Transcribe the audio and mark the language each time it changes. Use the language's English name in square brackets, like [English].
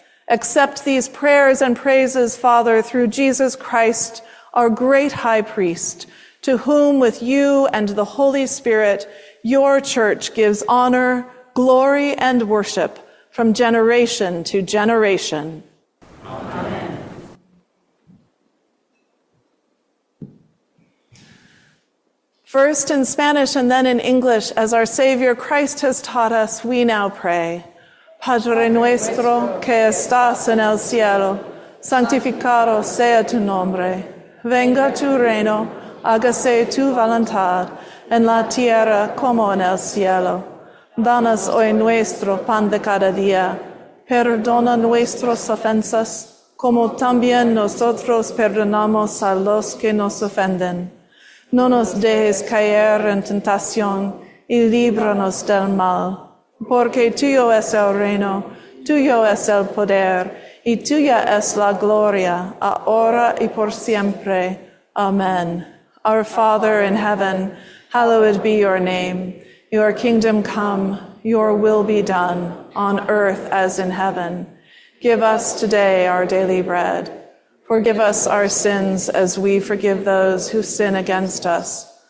[English] Accept these prayers and praises, Father, through Jesus Christ, our great High Priest, to whom with you and the Holy Spirit, your church gives honor, glory, and worship from generation to generation. Amen. First in Spanish and then in English, as our Savior Christ has taught us, we now pray. [Spanish] Padre nuestro que estás en el cielo, santificado sea tu nombre. Venga tu reino, hágase tu voluntad, en la tierra como en el cielo. Danos hoy nuestro pan de cada día. Perdona nuestras ofensas, como también nosotros perdonamos a los que nos ofenden. No nos dejes caer en tentación, y líbranos del mal. Porque tuyo es el reino, tuyo es el poder, y tuya es la gloria, ahora y por siempre. Amen. [English] Our Father in heaven, hallowed be your name. Your kingdom come, your will be done, on earth as in heaven. Give us today our daily bread. Forgive us our sins as we forgive those who sin against us.